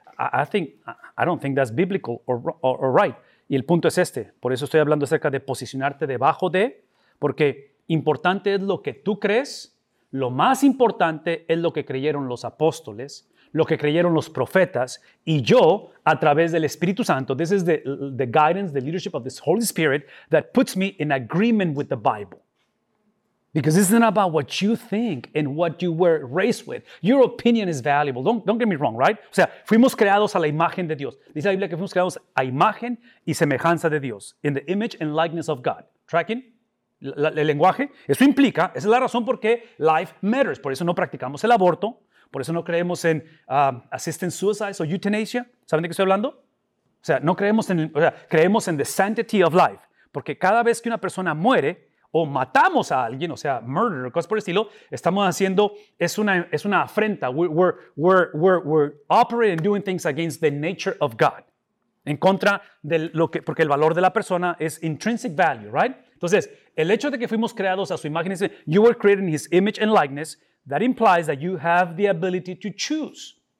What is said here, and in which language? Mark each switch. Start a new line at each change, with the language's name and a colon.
English: I don't think that's biblical or right.
Spanish: Y el punto es este. Por eso estoy hablando acerca de posicionarte debajo de, porque importante es lo que tú crees. Lo más importante es lo que creyeron los apóstoles, lo que creyeron los profetas. Y yo, a través del Espíritu Santo,
English: this is the guidance, the leadership of this Holy Spirit that puts me in agreement with the Bible. Because this isn't about what you think and what you were raised with. Your opinion is valuable. Don't get me wrong, right?
Spanish: O sea, fuimos creados a la imagen de Dios. Dice la Biblia que fuimos creados a imagen y semejanza de Dios.
English: In the image and likeness of God. Tracking?
Spanish: El lenguaje. Eso implica, esa es la razón por qué
English: life matters.
Spanish: Por eso no practicamos el aborto. Por eso no creemos en assisted suicide o euthanasia. ¿Saben de qué estoy hablando? O sea, no creemos en, o sea, creemos en
English: the sanctity of life.
Spanish: Porque cada vez que una persona muere, o matamos a alguien, o sea, murder, cosas por el estilo, estamos haciendo, es una afrenta.
English: We're operating and doing things against the nature of God.
Spanish: En contra de lo que, porque el valor de la persona es
English: intrinsic value, right?
Spanish: Entonces, el hecho de que fuimos creados a su imagen,
English: you were created in his image and likeness, that implies that you have the ability to choose.